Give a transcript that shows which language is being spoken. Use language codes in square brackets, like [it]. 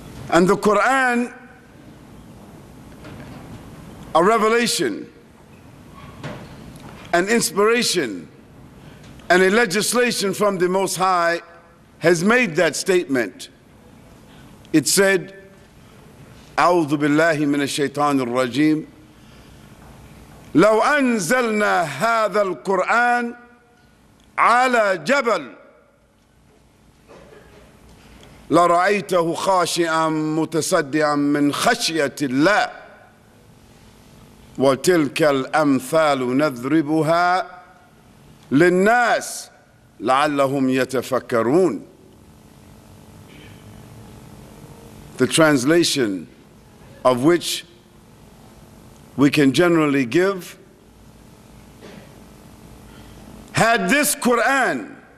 [en] And the Quran, a revelation, an inspiration, and a legislation from the Most High, has made that statement. It said, [ar] أعوذ بالله من الشيطان الرجيم لو أنزلنا هذا القرآن على جبل لرأيته خاشعا متصدعا من خشية الله وتلك الأمثال نضربها للناس لعلهم يتفكرون. [en] The translation of which we can generally give, had this Quran